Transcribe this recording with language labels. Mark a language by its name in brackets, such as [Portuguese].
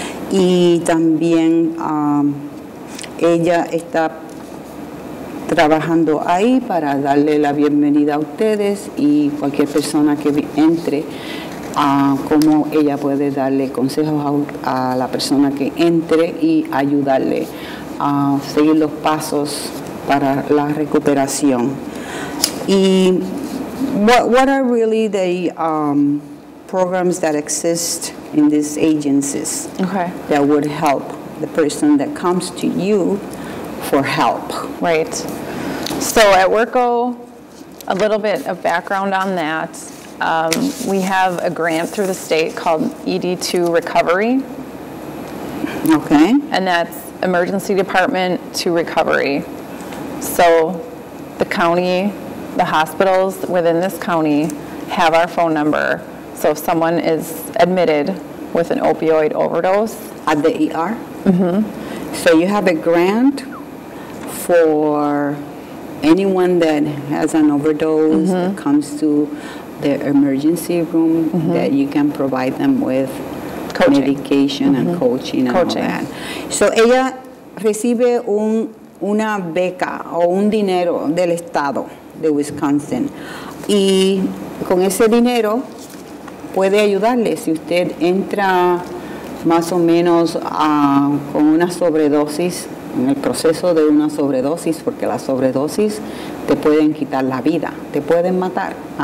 [Spanish] Y también ella está trabajando ahí para darle la bienvenida a ustedes y cualquier persona que entre, cómo ella puede darle consejos a la persona que entre y ayudarle a seguir los pasos para la recuperación. [English] Y what are really the programs that exist in these agencies, okay, that would help the person that comes to you for help? Right. So at WIRCO, a little bit of background on that. We have a grant through the state called ED2 Recovery. Okay. And that's Emergency Department to Recovery. So the county, the hospitals within this county have our phone number. So if someone is admitted with an opioid overdose. At the ER? Mm-hmm. So you have a grant for anyone that has an overdose, mm-hmm, that comes to the emergency room, mm-hmm, that you can provide them with coaching. Medication, mm-hmm, and coaching. All that. [Spanish] So ella recibe una beca o un dinero del estado de Wisconsin. Y con ese dinero puede ayudarle si usted entra más o menos con una sobredosis, en el proceso de una sobredosis, porque la sobredosis te pueden quitar la vida, te pueden matar.